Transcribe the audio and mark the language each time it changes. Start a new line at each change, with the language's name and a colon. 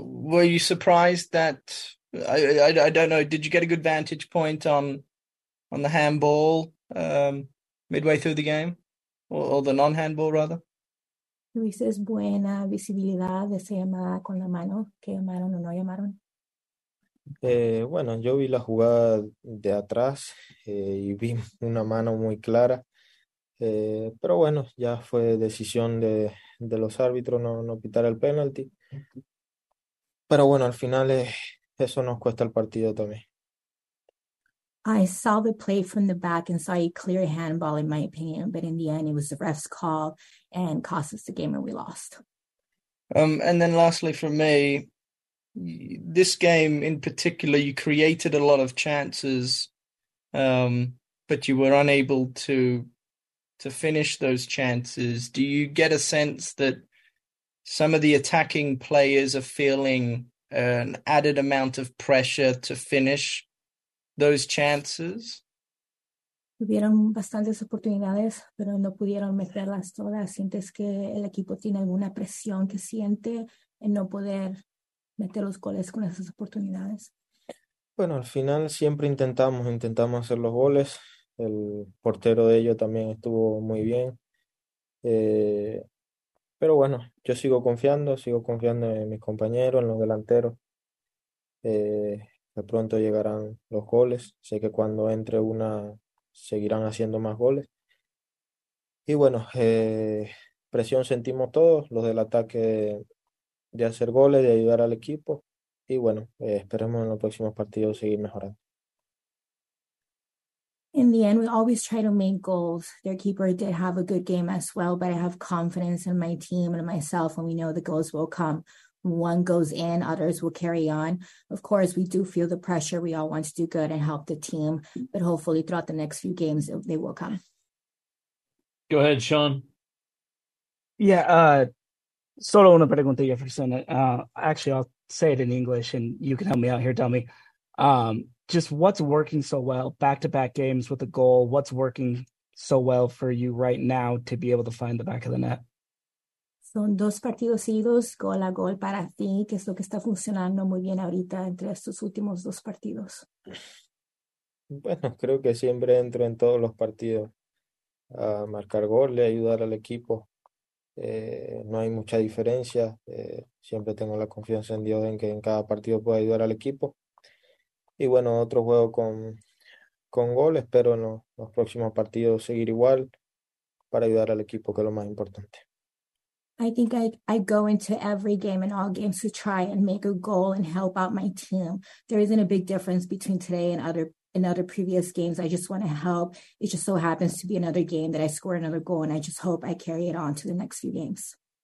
English: Were you surprised that, I don't know, did you get a good vantage point on the handball midway through the game? Or the non-handball, rather?
Spanish: Luis, buena visibilidad de esa llamada con la mano, que llamaron o no llamaron. Bueno, yo vi la jugada de atrás y vi una mano muy clara, pero bueno, ya fue decisión de los árbitros no pitar el penalti. Pero bueno, al final eso nos cuesta el partido también.
English: I saw the play from the back and saw a clear handball, in my opinion. But in the end, it was the ref's call and cost us the game and we lost. And then lastly for me, this game in particular, you created a lot of chances, but you were unable to finish those chances. Do you get a sense that some of the attacking players are feeling an added amount of pressure to finish those chances?
Spanish: Tuvieron bastantes oportunidades, pero no pudieron meterlas todas. ¿Sientes que el equipo tiene alguna presión que siente en no poder meter los goles con esas oportunidades? Bueno, al final siempre intentamos hacer los goles. El portero de ellos también estuvo muy bien. Pero bueno, yo sigo confiando en mis compañeros, en los delanteros. De pronto llegarán los goles. Sé que cuando entre una, seguirán haciendo más goles. Y bueno, presión sentimos todos, los del ataque de hacer goles, de ayudar al equipo. Y bueno, esperemos en los próximos partidos seguir mejorando.
English: In the end, we always try to make goals. Their keeper did have a good game as well, but I have confidence in my team and myself, and we know the goals will come. One goes in, others will carry on. Of course, we do feel the pressure. We all want to do good and help the team, but hopefully throughout the next few games, they will come. Go ahead, Sean.
Spanish: Yeah, solo una pregunta, Jefferson.
English: Actually, I'll say it in English and you can help me out here, dummy. Just what's working so well, back-to-back games with a goal, what's working so well for you right now to be able to find the back of the net?
Spanish: Son dos partidos seguidos, gol a gol para ti, que es lo que está funcionando muy bien ahorita entre estos últimos dos partidos. Bueno, creo que siempre entro en todos los partidos a marcar goles, ayudar al equipo. No hay mucha diferencia. Siempre tengo la confianza en Dios en que en cada partido pueda ayudar al equipo. Y bueno, otro juego con gol. Espero en los próximos partidos seguir igual para ayudar al equipo, que es lo más importante.
English: I think I go into every game and all games to try and make a goal and help out my team. There isn't a big difference between today and other previous games. I just want to help. It just so happens to be another game that I score another goal, and I just hope I carry it on to the next few games.